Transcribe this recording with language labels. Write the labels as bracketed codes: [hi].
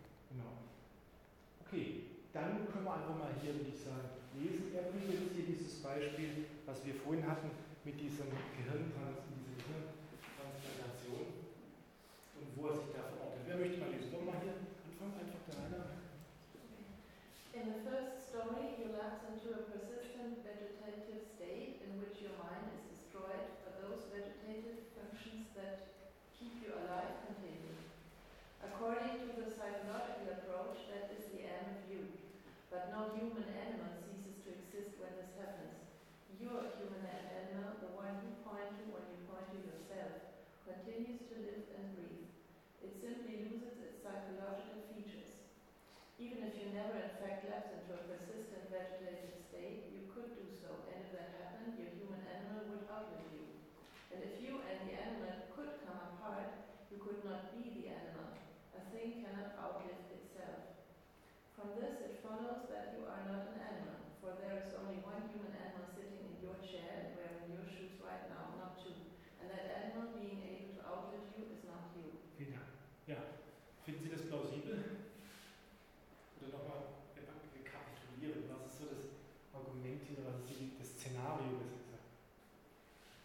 [de] Genau. Okay, dann können wir einfach mal hier, würde ich sagen, lesen. Er bringt jetzt hier dieses Beispiel, was wir vorhin hatten, mit diesem Gehirntransplantation und wo er sich da verortet. Wer möchte mal lesen? Wollen wir mal hier anfangen, einfach der Reiner. [en] In the first story, you lapse into a persistent vegetative state in which your mind is destroyed, but those vegetative functions that keep you alive continue. According to the psychological approach, that is the end of you. But no human animal ceases to exist when this happens. Your human animal, the one you point to when you point to yourself, continues to live and breathe. It simply loses its psychological features. Even if you never in fact lapse into a persistent vegetative state, you could do so, and if that happened, your human animal would outlive you. And if you and the animal could come apart, you could not be the animal. A thing cannot outlive itself. From this, it follows that you are not an animal, for there is only one human animal sitting in your chair and wearing your shoes right now, not two. And that animal being able to outlive you is not you. [de] Yeah. Finden Sie das plausibel? Oder nochmal rekapitulieren, was ist so das Argument hier, was ist das Szenario? Das ist?